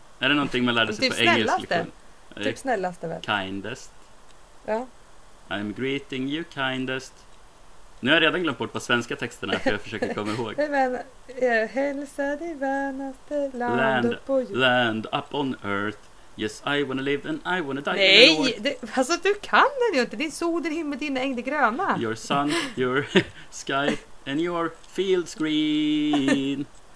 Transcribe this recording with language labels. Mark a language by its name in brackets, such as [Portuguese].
[Swedish] Är det någonting man lärde sig på engelska? Typ snällaste väl. [English] Kindest. [Swedish] Ja. [English] I'm greeting you kindest. [Swedish] Nu har jag redan glömt bort på svenska texterna för jag försöker komma ihåg. Men jag hälsar dig vänaste land på jord. [English] Land up on earth. Yes, I wanna live and I wanna die. [Swedish] Nej, alltså du kan den ju inte. Din sol, din himmel, din ängde gröna. [English] Your sun, your sky and your fields green.